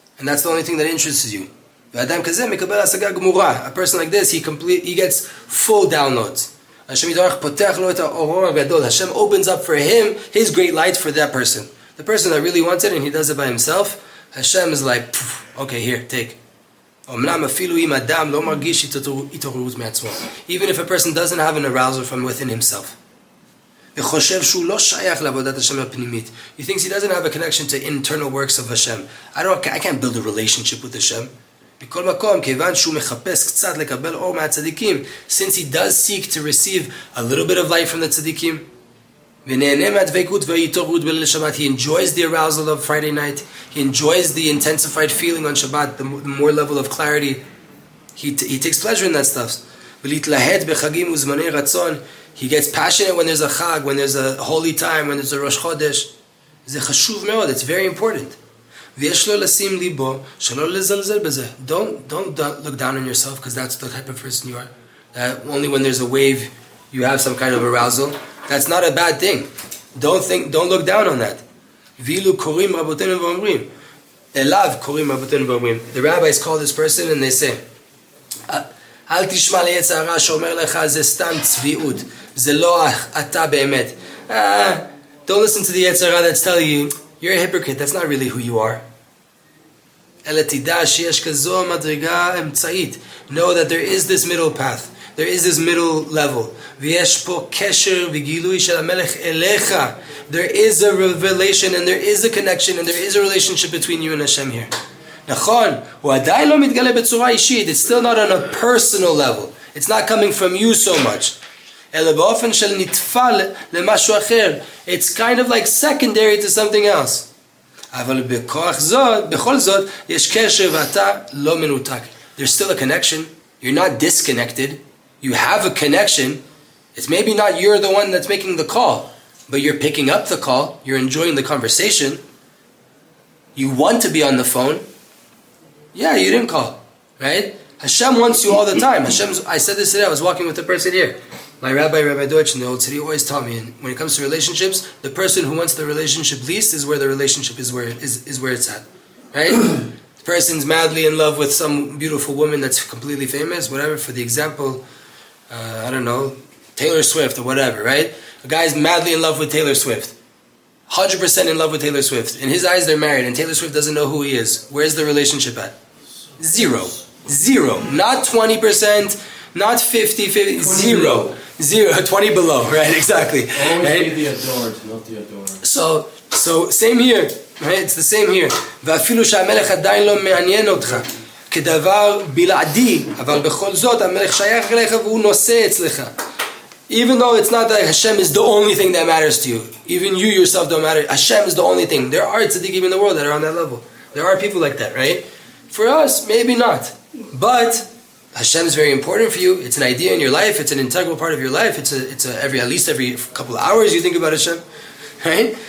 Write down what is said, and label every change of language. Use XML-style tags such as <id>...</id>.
<en>And that's the only thing that interests you.</en> <he>Adam kaze mikabel asaga gmura.</he> <en>A person like this, he gets full downloads.</en> <he>Hashem Yitarach potech lo et ha'orah gadol.</he> <en>Hashem opens up for him his great light for that person. The person that really wants it and he does it by himself, Hashem is like, okay, here, take.</en> <he>אמנם אפילו אם אדם לא מרגיש התעוררות מעצמו.</he> <en>Even if a person doesn't have an arousal from within himself.</en> <he>וחושב שהוא לא שייך לעבודת השם הפנימית.</he> <en>He thinks he doesn't have a connection to internal works of Hashem. I can't build a relationship with Hashem.</en> <he>בכל מקום, כיוון שהוא מחפש קצת לקבל אור מהצדיקים,</he> <en>since he does seek to receive a little bit of light from the tzadikim,</en> <he>ונהנה מהדבקות והתעוררות בליל שבת.</he> <en>He enjoys the arousal of Friday night. He enjoys the intensified feeling on Shabbat, the more level of clarity. He takes pleasure in that stuff.</en> <he>ולהתלהט בחגים וזמני רצון.</he> <en>He gets passionate when there's a chag, when there's a holy time, when there's a Rosh Chodesh.</en> <he>זה חשוב מאוד.</he> <en>It's very important.</en> <he>ויש לו לשים ליבו שלא לזלזל בזה.</he> <en>Don't look down on yourself because that's the type of person you are. That only when there's a wave, you have some kind of arousal. That's not a bad thing. Don't look down on that.</en> <he>Vilu korim rabotenu v'omrim. Elav korim rabotenu v'omrim.</he> <en>The rabbis call this person and they say,</en> <he>אל תשמע ליצר הרע שאומר לך זה סתם צביעות. זה לא אתה באמת.</he> <en>Don't listen to the yetzer hara that's telling you, you're a hypocrite, that's not really who you are.</en> <he>אלא תדע שיש כזו מדרגה אמצעית.</he> <en>Know that there is this middle path. There is this middle level.</en> <he>ויש פה קשר וגילוי של המלך אליך.</he> <en>There is a revelation and there is a connection and there is a relationship between you and Hashem here.</en> <he>נכון, הוא עדיין לא מתגלה בצורה אישית.</he> <en>It's still not on a personal level. It's not coming from you so much.</en> <he>אלא באופן של נטפל למשהו אחר.</he> <en>It's kind of like secondary to something else.</en> <he>אבל בכל זאת, יש קשר ואתה לא מנותק.</he> <en>There's still a connection. You're not disconnected. You have a connection. It's maybe not you're the one that's making the call, but you're picking up the call. You're enjoying the conversation. You want to be on the phone. Yeah, you didn't call, right? Hashem wants you all the time. I said this today. I was walking with a person here. My rabbi, Rabbi Deutsch, in the old city, always taught me, and when it comes to relationships, the person who wants the relationship least is where the relationship is where it's at, right? The person's madly in love with some beautiful woman that's completely famous, whatever, for the example, I don't know, Taylor Swift or whatever, right? A guy's madly in love with Taylor Swift. 100% in love with Taylor Swift. In his eyes, they're married, and Taylor Swift doesn't know who he is. Where's the relationship at? Zero. Zero. Not 20%, not 50-50, zero. Zero, 20 below, right, exactly. Always right? Be the adored, not the adored. So same here. Right? It's the same here.</en> <he>ואפילו שהמלך עדיין לא מעניין אותך, כדבר בלעדי, אבל בכל זאת, המלך שייך אליך והוא נושא אצלך.</he> <en>Even though it's not that Hashem is the only thing that matters to you, even you yourself don't matter, Hashem is the only thing. There are tzaddikim in the world that are on that level. There are people like that, right? For us, maybe not. But Hashem is very important for you. It's an idea in your life. It's an integral part of your life. At least every couple of hours you think about Hashem, right?</en>